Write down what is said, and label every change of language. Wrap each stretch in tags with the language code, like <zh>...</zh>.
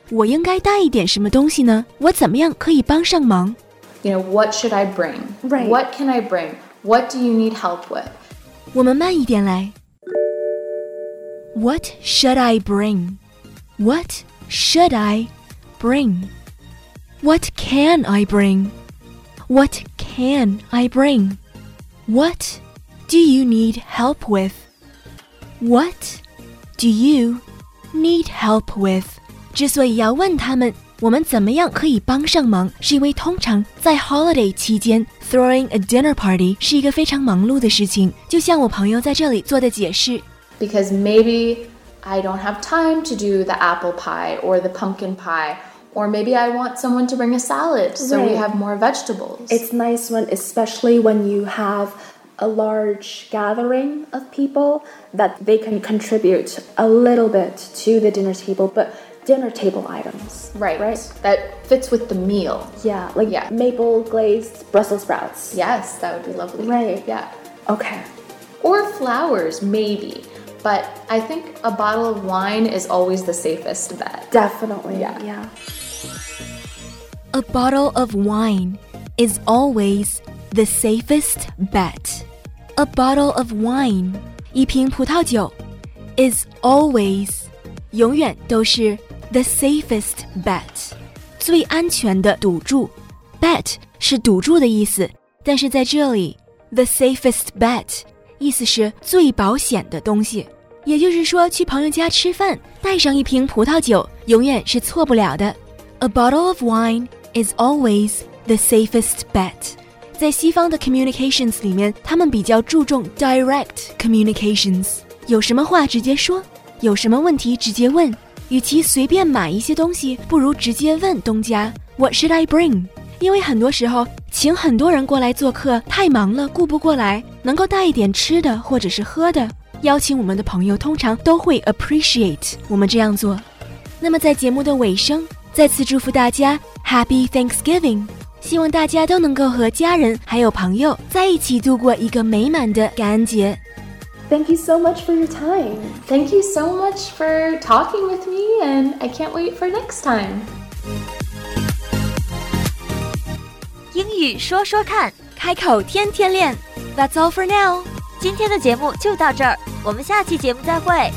<zh>我应该带一点什么东西呢？我怎么样可以帮上忙？</zh> <en>You know, what should I bring? Right. What can I bring? What do you need help with?</en> <zh>我们慢一点来。</zh> <en>What should I bring? What should I bring? What can I bring? What can I bring? What do you need help with? What do you need help with?</en> <zh>之所以要问他们我们怎么样可以帮上忙，是因为通常在 holiday 期间</zh> <en>throwing a dinner party</en> <zh>是一个非常忙碌的事情，就像我朋友在这里做的解释。</zh> <en>Because maybe I don't have time to do the apple pie or the pumpkin pie. Or maybe I want someone to bring a salad so right. we have more vegetables. It's nice when, especially when you have a large gathering of people, that they can contribute a little bit to the dinner table, but dinner table items. Right. Right? That fits with the meal. Yeah, like yeah. maple glazed Brussels sprouts. Yes, that would be lovely. Right. Yeah. Okay. Or flowers, maybe. But I think a bottle of wine is always the safest bet. Definitely. Yeah. yeah. A bottle of wine is always the safest bet. A bottle of wine,</en> <zh>一瓶葡萄酒</zh> <en>is always,</en> <zh>永远都是</zh> <en>the safest bet.</en> <zh>最安全的赌注 Bet 是赌注的意思，但是在这里</zh> <en>the safest bet.</en> <zh>意思是最保险的东西，也就是说去朋友家吃饭带上一瓶葡萄酒永远是错不了的。</zh> <en>A bottle of wine is always the safest bet.</en> <zh>在西方的 communications 里面，他们比较注重</zh> <en>direct communications，</en> <zh>有什么话直接说，有什么问题直接问。与其随便买一些东西，不如直接问东家</zh> <en>What should I bring?</en> <zh>因为很多时候请很多人过来做客太忙了顾不过来，能够带一点吃的或者是喝的，邀请我们的朋友通常都会 appreciate 我们这样做。那么在节目的尾声，再次祝福大家 Happy Thanksgiving， 希望大家都能够和家人还有朋友在一起度过一个美满的感恩节。</zh> <en>Thank you so much for your time. Thank you so much for talking with me, and I can't wait for next time.</en> <zh>英语说说看，开口天天练。</zh> <en>That's all for now.</en> <zh>今天的节目就到这儿，我们下期节目再会。</zh>